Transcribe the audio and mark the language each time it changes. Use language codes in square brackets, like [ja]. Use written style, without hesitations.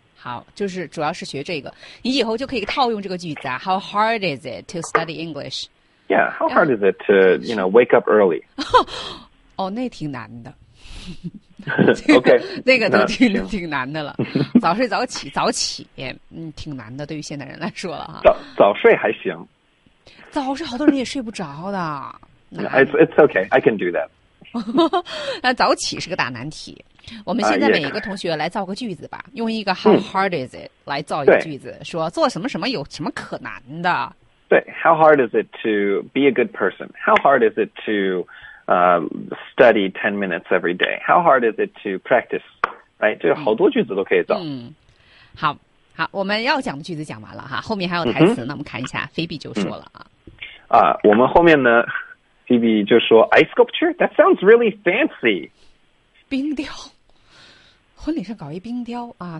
[zh] 好，就是主要是学这个，你以后就可以套用这个句子啊。 [en] How hard is it to study English? Yeah, how hard is it to, you know, wake up early? [zh] 哦，那挺难的。 [en] OK, [zh] 那个都挺难的了。早睡早起，早起，嗯，挺难的，对于现代人来说了哈。早睡还行。早睡好多人也睡不着的。 [en] It's okay, I can do that. [zh] 那早起是个大难题。我们现在每一个同学来造个句子吧，用一个 [en] how hard is it [zh] 来造一个句子，说做什么什么有什么可难的。对 [en] ，how hard is it to be a good person? How hard is it to study 10 minutes every day? How hard is it to practice? Right, [zh] 这好多句子都可以造。嗯，好，好，我们要讲的句子讲完了哈，后面还有台词，那我们看一下，菲比就说了啊。我们后面呢，菲比就说 [en] ice sculpture that sounds really fancy. [zh] 冰雕，婚礼上搞一冰雕啊！